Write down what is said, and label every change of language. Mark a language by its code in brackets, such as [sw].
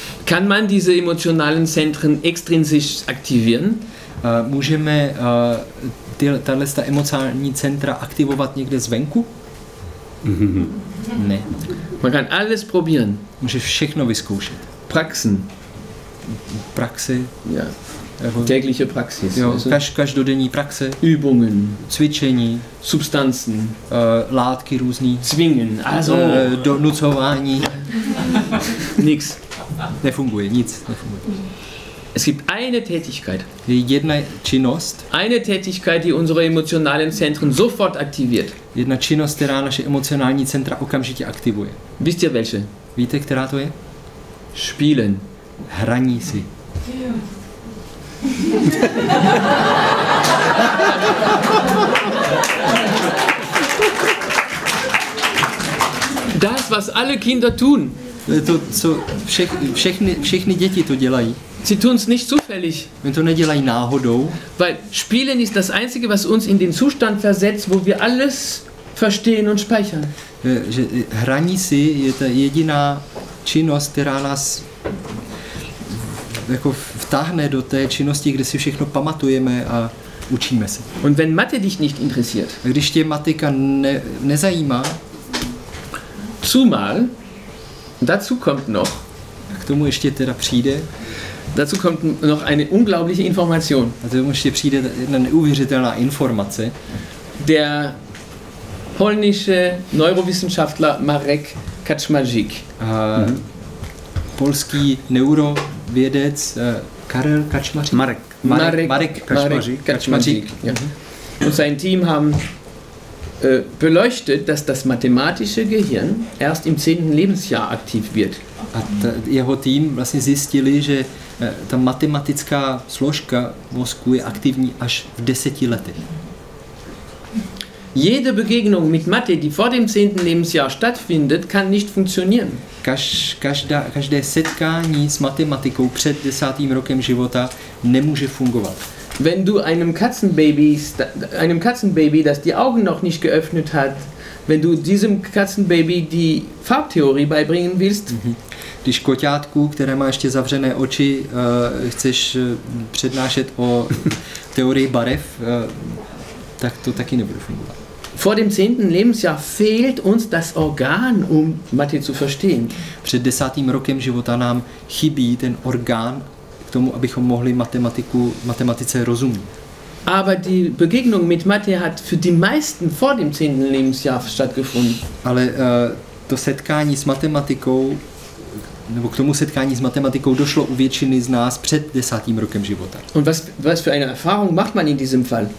[de] Kann man diese emotionalen Zentren extrinsisch aktivieren? [cs] Můžeme tato emocionální centra aktivovat někde zvenku? Ne. [de] Man kann alles probieren. [cs] Může všechno vyzkoušet. [de] Praxen. [cs] Praxe. [de] Ja. Tägliche Praxis. [cs] Jo, každodenní praxe. [de] Übungen. [cs] Cvičení. [de] Substanzen. [cs] Látky různý. [de] Zwingen. Also. [cs] Donucování. [de] Nix. [cs] Nefunguje, nic. [de] Es gibt eine Tätigkeit. [cs] Jedna činnost. [de] Eine Tätigkeit, die unsere emotionalen Zentren sofort aktiviert. [cs] Jedna činnost, která naše emocionální centra okamžitě aktivuje. [de] Wisst ihr welche? [cs] Víte, která to je? [de] Spielen. [cs] Hraní si. [de] Das, was alle Kinder tun. [cs] To, co všechny děti to dělají. [de] Sie tun es nicht zufällig. [cs] Wenn to nedělají náhodou. [de] Weil spielen ist das einzige, was uns in den Zustand versetzt, wo wir alles verstehen und speichern. [cs] Že hraní si je ta jediná činnost, která nás jako vtáhne do té činnosti, kde si všechno pamatujeme a učíme se. [de] Und wenn Mathe dich nicht interessiert. [cs] A když tě matika nezajímá. [de] Zumal. Dazu kommt noch. [cs] K tomu ještě teda přijde. [de] Dazu kommt noch eine unglaubliche Information. Also muss hier [cs] přijde jedna neuvěřitelná informace. [de] Der polnische Neurowissenschaftler Marek Kaczmarzyk. [cs] Polský neurovědec Karel Kaczmarzyk. [de] Marek Kaczmarzyk. Ja. Und sein Team haben beleuchtet, dass das mathematische Gehirn erst im 10. Lebensjahr aktiv wird. [cs] Jeho tým vlastně zjistili, že ta matematická složka mozku je aktivní až v 10 letech. [de] Jede Begegnung mit Mathe, die vor dem 10. Lebensjahr stattfindet, kann nicht funktionieren. [cs] Každé setkání s matematikou před 10. rokem života nemůže fungovat. [de] Wenn du einem Katzenbaby, das die Augen noch nicht geöffnet hat, wenn du diesem Katzenbaby die Farbtheorie beibringen willst, [cs] Když koťátku, které má ještě zavřené oči, chceš přednášet o teorii barev, tak to taky nebude fungovat. [de] Vor dem 10. Lebensjahr fehlt uns das Organ, um Mathe zu verstehen. [cs] Před 10. rokem života nám chybí ten orgán k tomu, abychom mohli matematice rozumět. [de] Aber die Begegnung mit Mathe hat für die meisten vor dem 10. Lebensjahr stattgefunden. [cs] Ale to setkání s matematikou, nebo k tomu setkání s matematikou došlo u většiny z nás před 10. rokem života. [de] Und was für eine Erfahrung macht man in diesem Fall?